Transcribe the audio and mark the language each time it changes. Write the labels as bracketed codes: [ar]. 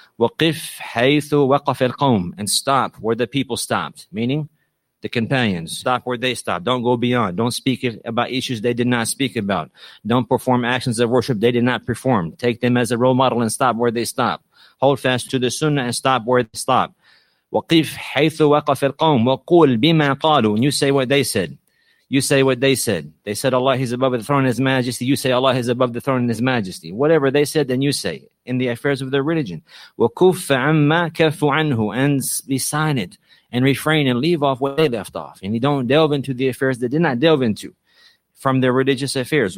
[ar] Waqif haythu waqaf al-qawm. [en] And stop where the people stopped. Meaning, the companions. Stop where they stopped. Don't go beyond. Don't speak about issues they did not speak about. Don't perform actions of worship they did not perform. Take them as a role model and stop where they stop. Hold fast to the Sunnah and stop where they stop. [ar] وَقِفْ حَيْثُ وَقَفِ الْقَوْمِ وَقُولْ بِمَا قَالُوا [en] And you say what they said. You say what they said. They said Allah is above the throne and His majesty. You say Allah is above the throne and His majesty. Whatever they said, then you say in the affairs of their religion. [ar] وَكُفَّ عَمَّا كَفُّ عَنْهُ [en] And be silent and refrain and leave off what they left off. And you don't delve into the affairs they did not delve into from their religious affairs.